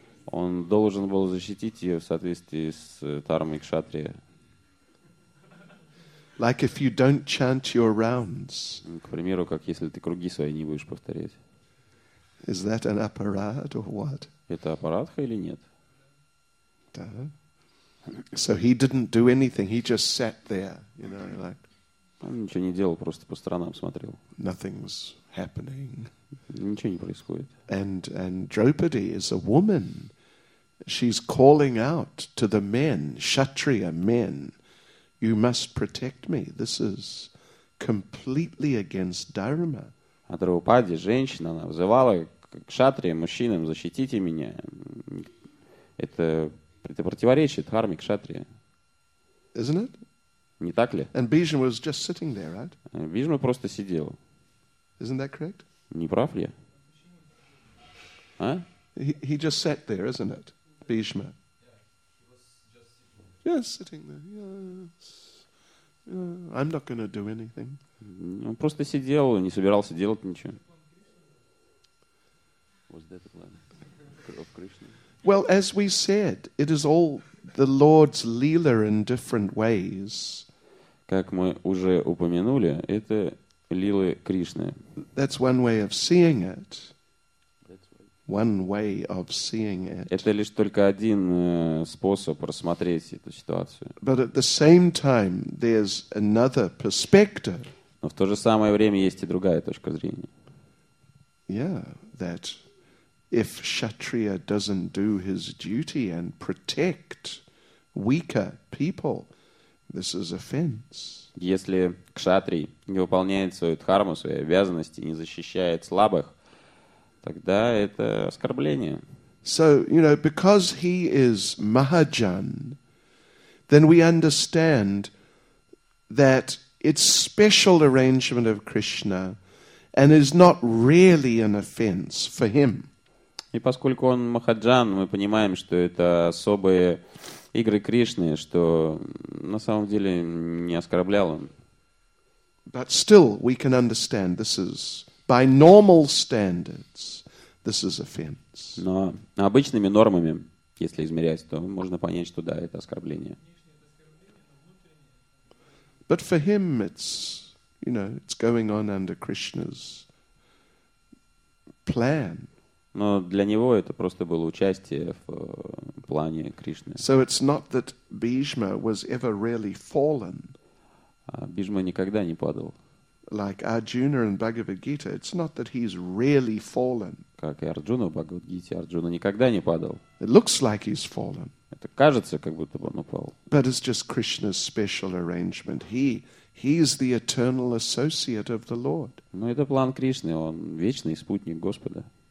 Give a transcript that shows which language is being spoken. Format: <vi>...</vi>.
<ru>Он должен был защитить ее в соответствии с дхармой кшатрия.</ru> <en>Like if you don't chant your rounds.</en> <ru>К примеру, как если ты круги свои не будешь повторять.</ru> <en>Is that an aparad or what?</en> <ru>Это апарадха или нет? Да.</ru> <en>So he didn't do anything. He just sat there, you know, like.</en> <ru>Он ничего не делал, просто по сторонам смотрел.</ru> <en>Nothing's happening.</en> <ru>Ничего не происходит.</ru> <en>And Draupadi is a woman. She's calling out to the men, Kshatriya men. You must protect me. This is completely against dharma.</en> <ru>А Драупади, женщина, она взывала к кшатриям, мужчинам, защитите меня. Это противоречит дхарме кшатрия.</ru> <en>Isn't it?</en> <ru>Не так ли?</ru> <en>And Bhishma was just sitting there, right?</en> <ru>Bhishma просто сидел.</ru> <en>Isn't that correct?</en> <ru>Не прав ли? А?</ru> <en>He just sat there, isn't it? Bhishma. Yeah, he was just sitting there. Yes. I'm not going to do anything.</en> <ru>Он просто сидел, не собирался делать ничего.</ru> <en>Was that the plan of Krishna? Well, as we said, it is all the Lord's leela in different ways.</en> <ru>Как мы уже упомянули, это лилы Кришны.</ru> <en>That's one way of seeing it. One way of seeing it.</en> <ru>Это лишь только один способ рассмотреть эту ситуацию.</ru> <en>But at the same time, there's another perspective.</en> <ru>Но в то же самое время есть и другая точка зрения.</ru> <en>Yeah, that. If Kshatriya doesn't do his duty and protect weaker people, this is offense.</en> <ru>Если кшатрий не выполняет свою дхарму, свои обязанности, не защищает слабых, тогда это оскорбление.</ru> <en>So, you know, because he is Mahajan, then we understand that it's special arrangement of Krishna and is not really an offense for him.</en> <ru>И поскольку он Махаджан, мы понимаем, что это особые игры Кришны, что на самом деле не оскорблял он.</ru> <en>But still we can understand this is by normal standards this is offense.</en> <ru>Но обычными нормами, если измерять, то можно понять, что да, это оскорбление.</ru> <en>But for him it's, you know, it's going on under Krishna's plan.</en> <ru>Но для него это просто было участие в плане Кришны.</ru> <en>So it's not that Bhishma was ever really fallen.</en> <ru>Бхишма никогда не падал.</ru> <en>Like Arjuna and Bhagavad Gita, it's not that he's really fallen.</en> <ru>Как и Арджуна в Бхагавад Гите, Арджуна никогда не падал.</ru> <en>It looks like he's fallen.</en> <ru>Это кажется, как будто бы он упал.</ru> <en>But it's just Krishna's special arrangement. He is the eternal associate of the Lord.</en> <ru>Но это план Кришны, он вечный спутник Господа.</ru>